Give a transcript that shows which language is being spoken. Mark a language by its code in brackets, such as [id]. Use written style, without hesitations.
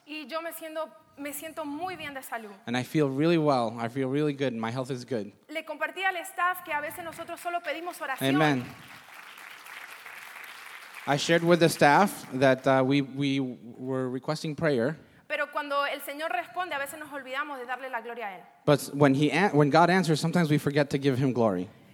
[es] Y yo me siento muy bien de salud. [en] And I feel really well. I feel really good. My health is good. [es] Le compartí al staff que a veces nosotros solo pedimos oración. [en] Amen. I shared with the staff that we were requesting prayer. [es] Pero cuando el Señor responde, a veces nos olvidamos de darle la gloria a él. [en] But when God answers, sometimes we forget to give him glory.